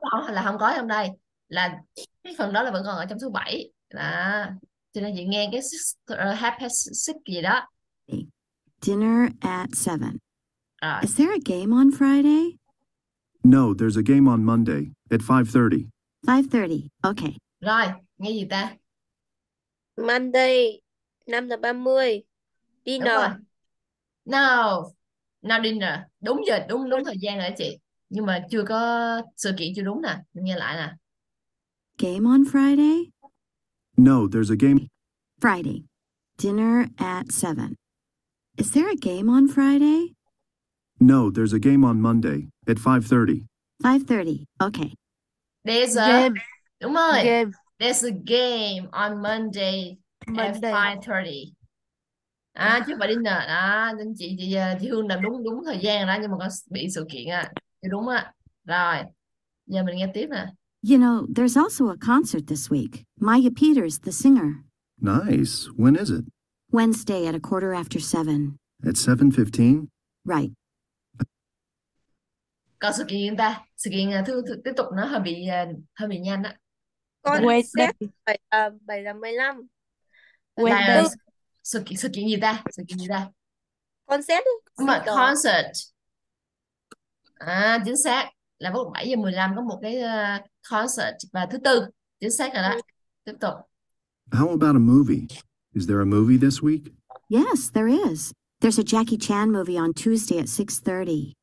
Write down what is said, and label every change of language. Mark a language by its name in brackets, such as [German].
[Vietnamese] sáu là không có trong đây, là cái phần đó là vẫn còn ở trong thứ bảy. Là Cho nên chị nghe cái [English] six, half past six [Vietnamese] gì đó. [English] Dinner at 7. [Vietnamese] Rồi. [English] Is there a game on Friday? No, there's a game on Monday at 5:30. 5:30, okay. [Vietnamese] Rồi, nghe gì ta? [English] Monday, 5:30. Dinner. [Vietnamese] Đúng rồi. [English] No, no dinner. [Vietnamese] Đúng giờ, đúng đúng thời gian rồi chị. Nhưng mà chưa có sự kiện chưa đúng nè. Nghe lại nè. [English] Game on Friday? No, there's a game. Friday, dinner at 7. Is there a game on Friday? No, there's a game on Monday at 5:30. 5:30. Okay. There's a game. [Vietnamese] Đúng rồi. [English] Game. There's a game on Monday, Monday. At 5:30. [Vietnamese] À chứ bà đi nè, à nên chị Hương làm đúng đúng thời gian đó nhưng mà có bị sự kiện á. À. Thì đúng á. Rồi. Giờ mình nghe tiếp nè. [English] You know, there's also a concert this week. Maya Peters, the singer. Nice. When is it? Wednesday at 7:15. At 7:15? Right. [Vietnamese] Có sự kiện gì ta? Sự kiện tiếp tục nó hơi bị nhanh á. [English] Concert 7:15. [Vietnamese] Sự kiện gì ta? Sự kiện gì ta? [English] Concert. [Vietnamese] Mà concert. À, chính xác. Là 7:15 có một cái concert và thứ tư. Chính xác rồi đó. Tiếp tục. [English] How about a movie? Is there a movie this week? Yes, there is. There's a Jackie Chan movie on Tuesday at 6:30.